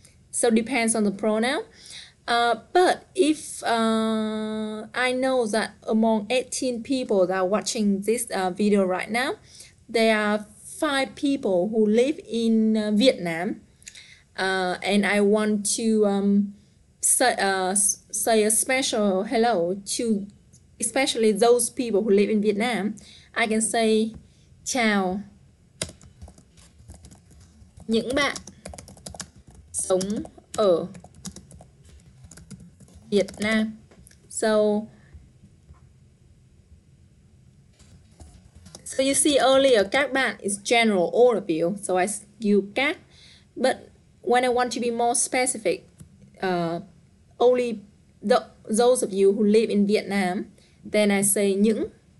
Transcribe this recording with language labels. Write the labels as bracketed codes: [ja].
[en] So depends on the pronoun. But if I know that among 18 people that are watching this video right now, there are 5 people who live in Vietnam, And I want to say a special hello to especially those people who live in Vietnam. I can say [vi] chào những bạn sống ở Việt Nam. [en] So you see earlier, các bạn is general, all of you. So I use các. But when I want to be more specific, only those of you who live in Vietnam, then I say những.